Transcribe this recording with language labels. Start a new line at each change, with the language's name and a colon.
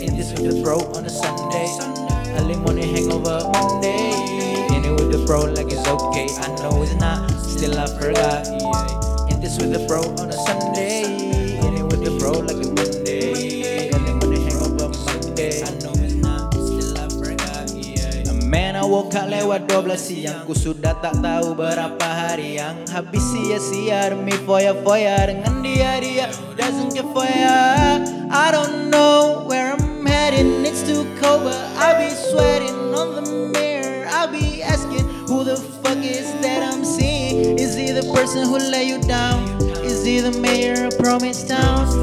English: In this with the bro on a Sunday, a lemonade hangover Monday. Bro, like it's okay, I know it's not, still I forgot. Yeah. In this with the bro on a Sunday, in it with the bro like a Monday. And then when they hang up on Monday, I know it's not, still I forgot. Yeah. Man, I woke up
Malay: lewat 12 siang, ku sudah tak tahu berapa hari yang habis sia-sia demi foya-foya dengan dia-dia.
English: Doesn't care for ya, I don't know where I'm heading. It's too cold, but I'll be sweating on the mirror. I'll be asking who the fuck is that I'm seeing. Is he the person who let you down? Is he the mayor of Promise Town?